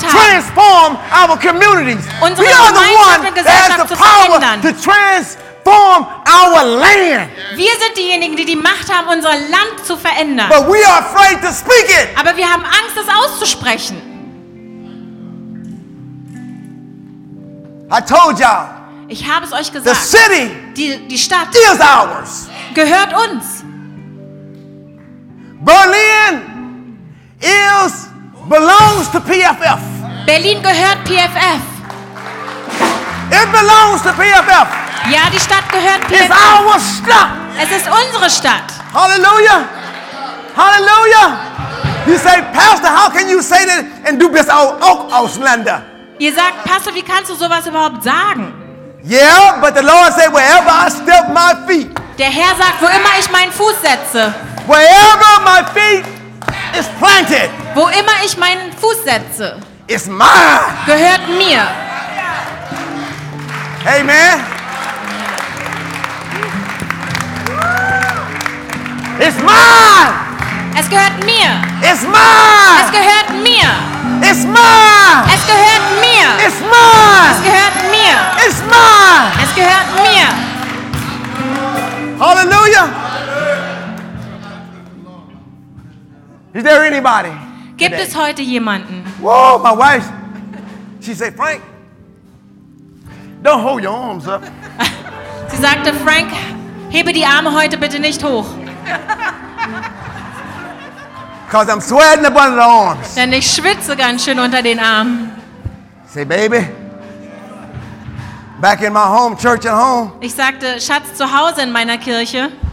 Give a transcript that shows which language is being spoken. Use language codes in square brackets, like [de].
[en] to transform our communities. [de] Unsere [en] we are the ones that has the power to transform our land. [de] Wir sind diejenigen, die Macht haben, unser Land zu verändern. [en] But we are afraid to speak it. [de] Aber wir haben Angst, es auszusprechen. [en] I told y'all. [de] Ich habe es euch gesagt. [en] The city, [de] die Stadt, [en] is ours. [de] Gehört uns. [en] Berlin is belongs to PFF. [de] Berlin gehört PFF. [en] It belongs to PFF. [de] Ja, die Stadt gehört PFF. [en] It's our stuff. [de] Es ist unsere Stadt. [en] Hallelujah. Hallelujah. You say, Pastor, how can you say that and do this [de] auch Ausländer? Ihr sagt, Pastor, wie kannst du sowas überhaupt sagen? [en] Yeah, but the Lord said, wherever I step my feet. [de] Der Herr sagt, wo immer ich meinen Fuß setze. [en] Wherever my feet is planted. [de] Wo immer ich meinen Fuß setze. [en] Is mine. [de] Gehört mir. [en] Amen. It's mine. [de] Es gehört mir. [en] It's mine. [de] Es gehört mir. [en] It's mine. [de] Es gehört mir. [en] It's mine. [de] Es gehört mir. [en] It's mine. [de] Es gehört mir. [en] Hallelujah. Is there anybody? [de] Gibt es heute jemanden? [en] Whoa, my wife. She said, Frank, don't hold your arms up. [de] Sie sagte, Frank, hebe die Arme heute bitte nicht hoch. [en] Cause I'm sweating up under the arms. [de] Denn ich schwitze ganz schön unter den Armen. [en] Say, baby, back in my home, church at home. [de] Ich sagte, Schatz, zu Hause in meiner Kirche.